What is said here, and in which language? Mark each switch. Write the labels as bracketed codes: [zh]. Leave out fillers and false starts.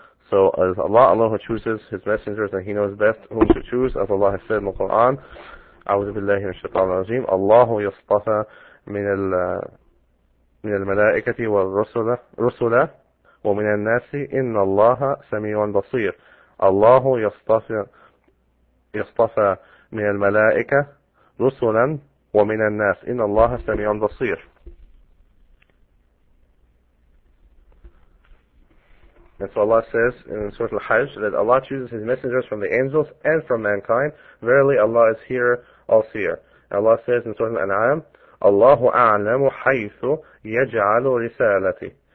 [en] So as Allah chooses his messengers, and he knows best whom to choose, as Allah has said in the Quran, [ar] أعوذ بالله من الشيطان الرجيم, الله يصطفى من الملائكة والرسل ومن الناس إن الله سميع بصير. الله يصطفى من الملائكة رسلا ومن الناس إن الله سميع بصير. [en] And so Allah says in Surah Al-Hajj that Allah chooses His messengers from the angels and from mankind. Verily Allah is here, all seer. Allah says in Surah Al-An'am, [ar] اللَّهُ أَعْلَمُ حَيْثُ يَجْعَلُ رِسَالَتِي.